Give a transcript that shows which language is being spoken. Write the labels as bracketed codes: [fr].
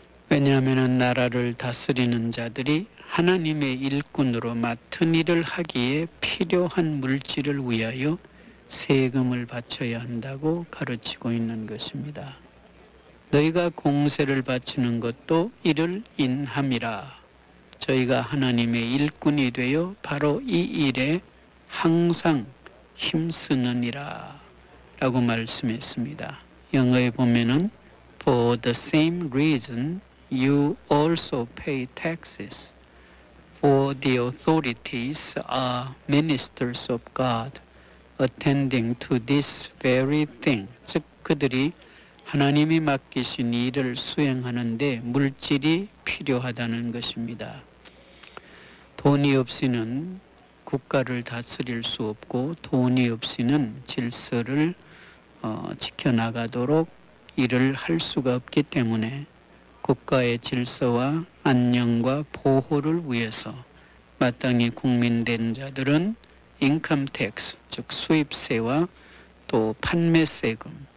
[ko] 왜냐하면 나라를 다스리는 자들이 하나님의 일꾼으로 맡은 일을 하기에 필요한 물질을 위하여 세금을 바쳐야 한다고 가르치고 있는 것입니다. 너희가 공세를 바치는 것도 이를 인함이라. 저희가 하나님의 일꾼이 되어 바로 이 일에 항상 힘쓰느니라 라고 말씀했습니다. 영어에 보면은 [en] For the same reason you also pay taxes, for the authorities are ministers of God attending to this very thing. [ko] 즉 그들이 하나님이 맡기신 일을 수행하는 데 물질이 필요하다는 것입니다. 돈이 없이는 국가를 다스릴 수 없고 돈이 없이는 질서를 지켜나가도록 일을 할 수가 없기 때문에 국가의 질서와 안녕과 보호를 위해서 마땅히 국민된 자들은 income tax, 즉 수입세와 또 판매세금을